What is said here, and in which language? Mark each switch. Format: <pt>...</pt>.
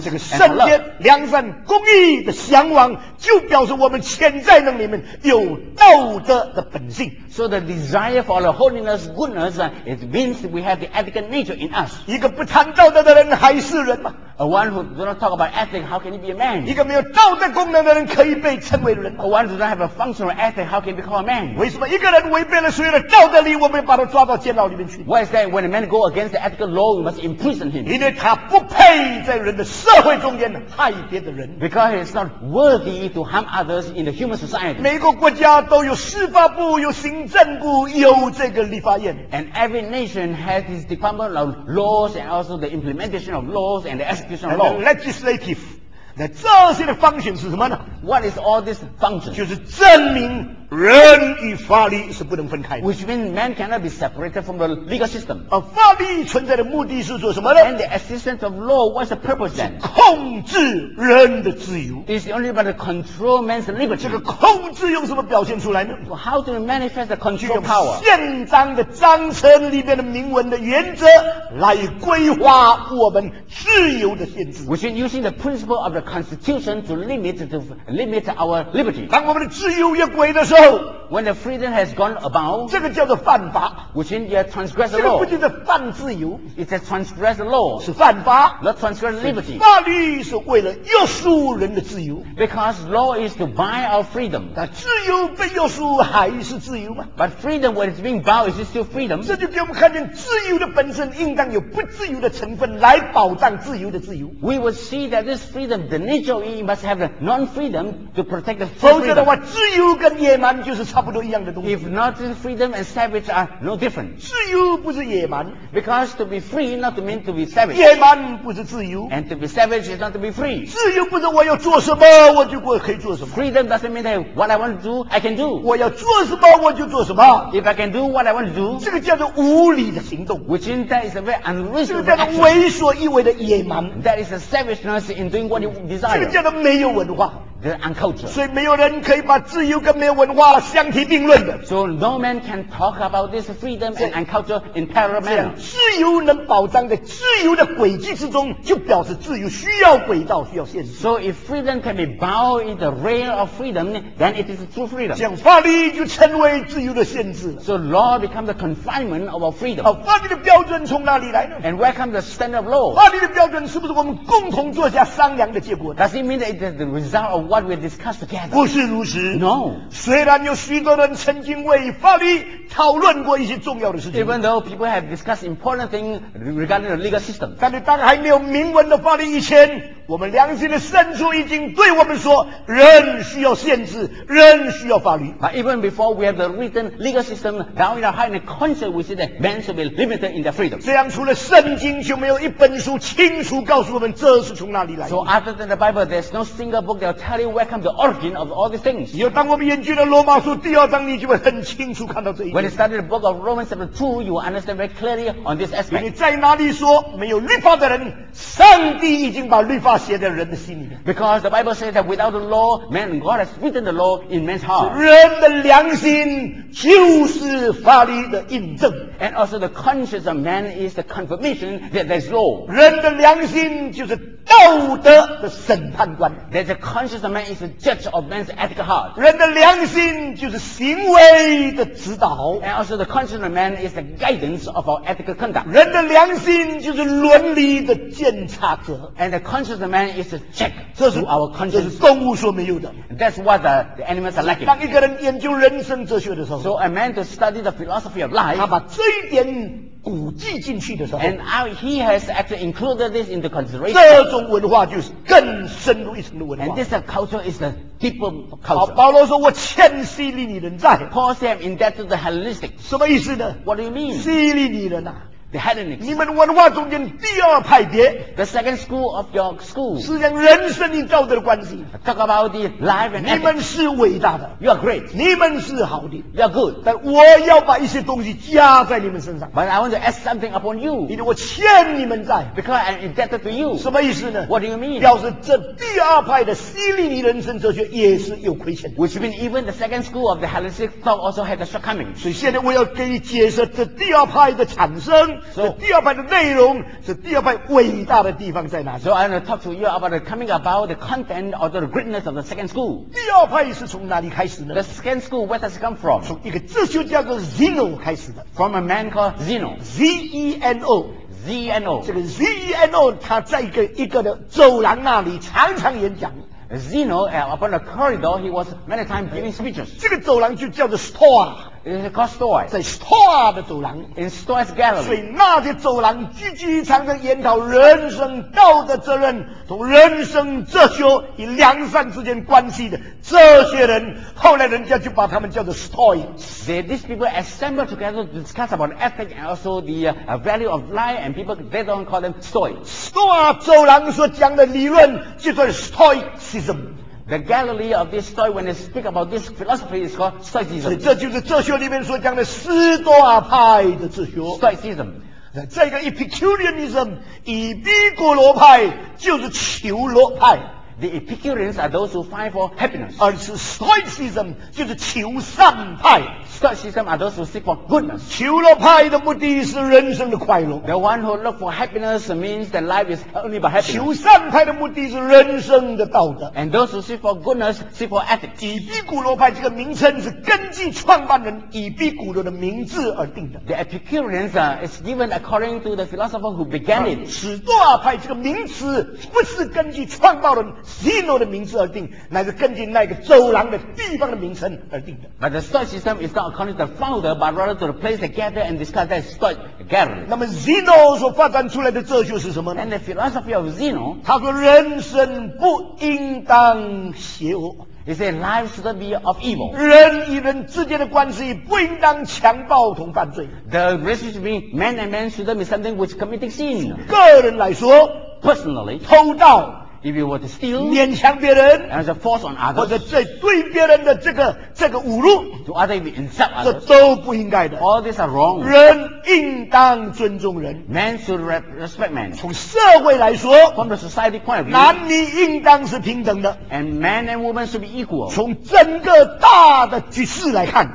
<zh>这个圣洁、良善、公义的向往，就表示我们潜在在那里面有道德的本性。</zh> <en>So the desire for the holiness, goodness, it means we have the ethical nature in us.</en> <zh>一个不谈道德的人还是人吗？</zh> <en>A one who does not talk about ethics, how can he be a man?</en> <zh>一个没有道德功能的人可以被称为人吗？</zh> <en>A one who does not have a functional ethic, how can he become a man?</en> <zh>为什么一个人违背了所有的道德力，我们把他抓到监牢里面去？</zh> <en>Why is that when a man goes against the ethical law, we must imprison him?</en> <zh>因为他不配在人的社会中间害别的人。</zh> <en>Because he is not worthy to harm others in the human society.</en> <zh>每个国家都有司法部，有行政部，有这个立法院。</zh> <en>And every nation has its department of laws and also the implementation of laws and the execution of law. And the legislative.</en> <zh>那这些的 function 是什么呢？</zh> <en>What is all this function?</en> <zh>就是证明人与法律是不能分开的。</zh> <en>Which means man cannot be separated from the legal system.</en> <zh>法律存在的目的是做什么呢？</zh> <en>And the existence of law, what's the purpose then?</en> <zh>是控制人的自由。</zh> <en>It's only about to control man's liberty.</en> <zh>这个控制用什么表现出来呢？</zh> <en>So how do we manifest the control power?</en> <zh>就用宪章的章程里面的明文的原则来规划我们自由的限制。</zh> <en>Which means using the principle of the constitution to limit our liberty.</en> <zh>当我们的自由越轨的时候，</zh> <en>when the freedom has gone about,</en> <zh>这个叫做犯法。</zh> <en>Which means you have transgressed the law.</en> <zh>这个不仅是犯自由，</zh> <en>it's a transgress the law.</en> <zh>是犯法，</zh> <en>not transgress liberty.</en> <zh>法律是为了约束人的自由。</zh> <en>Because law is to bind our freedom.</en> <zh>但自由被约束还是自由吗？</zh> <en>But freedom when it's being bound, is it still freedom?</en> <zh>这就给我们看见自由的本身应当有不自由的成分来保障自由的自由。</zh> <en>We will see that this freedom,the nature of it must have the non-freedom to protect the freedom.</en> <zh>否则的话，自由跟野蛮就是差不多一样的东西。</zh> <en>If not, freedom and savage are no different.</en> <zh>自由不是野蛮。</zh> <en>Because to be free, not to mean to be savage.</en> <zh>野蛮不是自由。</zh> <en>And to be savage is not to be free.</en> <zh>自由不是我要做什么我就可以做什么。</zh> <en>Freedom doesn't mean that what I want to do, I can do.</en> <zh>我要做什么我就做什么。</zh> <en>If I can do what I want to do,</en> <zh>这个叫做无理的行动。</zh> <en>Which in that is a very unreasonable action.</en> <zh>这个叫做为所欲为的野蛮。</zh> <en>That is a savageness in doing what you</en> <zh>这个叫做没有文化。</zh> <en>The unculture.</en> <zh>所以没有人可以把自由跟没有文化相提并论的。</zh> <en>So no man can talk about this freedom and unculture in parallel manner.</en> <zh>自由能保障在自由的轨迹之中，就表示自由需要轨道，需要限制。</zh> <en>So if freedom can be bound in the rail of freedom, then it is true freedom.</en> <zh>这样法律就成为自由的限制。</zh> <en>So law becomes the confinement of our freedom.</en> <zh>好，法律的标准从哪里来呢？</zh> <en>And where comes the standard of law?</en> <zh>法律的标准是不是我们共同坐下商量的结果？</zh> <en>Does it mean that it is the result of what we discussed together?</en> <zh>不是如此。</zh> <en>No.</en> <zh>虽然有许多人曾经为法律讨论过一些重要的事情。</zh> <en>Even though people have discussed important things regarding the legal system.</en> <zh>但是当还没有明文的法律以前，我们良心的深处已经对我们说，人需要限制，人需要法律。</zh> <en>But even before we have the written legal system, now in our heart and conscience, we see that men should be limited in their freedom.</en> <zh>这样除了圣经，就没有一本书清楚告诉我们这是从哪里来的。</zh> <en>So other than the Bible, there's no single book that will tell you where comes the origin of all these things.</en> <zh>有当我们研究了罗马书第二章，你就会很清楚看到这一点。</zh> <en>When you study the book of Romans chapter 2, you will understand very clearly on this aspect.</en> <zh>你在哪里说没有律法的人，上帝已经把律法写在人的心里。</zh> <en>Because the Bible says that without the law, man, God has written the law in man's heart.</en> <zh>人的良心就是法律的印证。</zh> <en>And also the conscience of man is the confirmation that there's law.</en> <zh>人的良心就是道德的审判官。</zh> <en>That the conscience of man is the judge of man's ethical heart.</en> <zh>人的良心就是行为的指导。</zh> <en>And also the conscience of man is the guidance of our ethical conduct.</en> <zh>人的良心就是伦理的监察者。</zh> <en>And the conscience of man is the check to our conscience.</en> <zh>这是动物所没有的。</zh> <en>That's what the animals are lacking.</en> <zh>当一个人研究人生哲学的时候，</zh> <en>So a man to study the philosophy of life,</en> <zh>他把这一点古迹进去的时候，</zh> <en>and he has actually included this into consideration.</en> <zh>这种文化就是更深入一层的文化。</zh> <en>And this culture is the deeper culture.</en> <zh>保罗说：“我欠希利尼人债。”</zh> <en>Paul said, "I'm indebted to the Hellenistic."</en> <zh>什么意思呢？</zh> <en>What do you mean?</en> <zh>希利尼人啊，</zh> <en>the Hellenists.</en> <zh>你们文化中间第二派别</zh> <en>the second school of your school.</en> <zh>是讲人生与道德的关系</zh> <en>talk about the life and</en> <zh>ethics. 你们是伟大的</zh> <en>you are great.</en> <zh>你们是好的</zh> <en>you are good.</en> <zh>但我要把一些东西加在你们身上</zh> <en>but I want to add something upon you.</en> <zh>因为我欠你们债</zh> <en>because I am indebted to you.</en> <zh>什么意思呢</zh> <en>what do you mean?</en> <zh>表示这第二派的希利尼人生哲学也是有亏欠</zh> <en>which means even the second school of the Hellenistic thought also had a shortcoming.</en> <zh>所以现在我要给你解释这第二派的产生</zh> <en>so,</en> <zh>这第二派的内容这第二派伟大的地方在哪里</zh> <en>So I'm going to talk to you about the coming about the content or the greatness of the second school</en> <zh>第二派是从哪里开始呢</zh> <en>The second school, where does it come from?</en> <zh>从一个哲学家叫 Zeno 开始的</zh> <en>From a man called Zeno Z-E-N-O Z-E-N-O</en> <zh>这个 Z-E-N-O 他在一个的走廊那里常常演讲</zh> <en>Zeno, upon the corridor, he was many times giving speeches.</en> <zh>这个走廊就叫做 store.</zh> <en>It's called store.</en> <zh>在 store 的走廊</zh> <en>in store's gallery.</en> <zh>所以那些走廊聚集常常研讨人生道德责任，同人生哲学与良善之间关系的这些人，后来人家就把他们叫做 stoics.</zh> <en>These people assemble together to discuss about ethics and also the value of life, and people they don't call them stoics.</en> <zh>Store 走廊所讲的理论就是 stoics.</zh> <en>The gallery of this story when they speak about this philosophy is called Stoicism.</en> <zh>所以这就是哲学里面所讲的斯多亚派的哲学。</zh> <en>Stoicism.</en> <zh>这个 Epicureanism, 以比古罗派就是求乐派。</zh> <en>The Epicureans are those who fight for happiness.</en> <zh>而是 Stoicism 就是求善派。</zh> <en>Stoicism are those who seek for goodness.</en> <zh>求乐派的目的是人生的快乐。</zh> <en>The one who look for happiness means that life is only but happiness.</en> <zh>求善派的目的是人生的道德。</zh> <en>And those who seek for goodness seek for ethics.</en> <zh>以比古罗派这个名称是根据创办人以比古罗的名字而定的。</zh> <en>The Epicureans is given according to the philosopher who began it.</en> <zh>史多亚派这个名词不是根据创办人Zeno 的名字而定，乃是根据那个走廊的地方的名称而定的。</zh> <en>But the Stoicism is not according to the founder, but rather to the place they gather and discuss that Stoic gathering.</en> <zh>那么 Zeno 所发展出来的哲学是什么呢</zh> <en>？And the philosophy of Zeno,</en> <zh>他说人生不应当邪恶。</zh> <en>He said life should be of evil.</en> <zh>人与人之间的关系不应当强暴同犯罪。</zh> <en>The relationship between man and man should be something which committing sin.</en> <zh>个人来说</zh> <en>，personally，</en> <zh>偷盗。</zh> <en>If you were to steal,</en> <zh>勉强别人</zh> <en>and to force on others,</en> <zh>或者对别人的这个侮辱</zh> <en>to other if you insult others,</en> <zh>这都不应该的</zh> <en>all these are wrong.</en> <zh>人应当尊重人</zh> <en>Men should respect men.</en> <zh>从社会来说</zh> <en>from the society point of view,</en> <zh>男女应当是平等的</zh> <en>and men and women should be equal.</en> <zh>从整个大的局势来看</zh>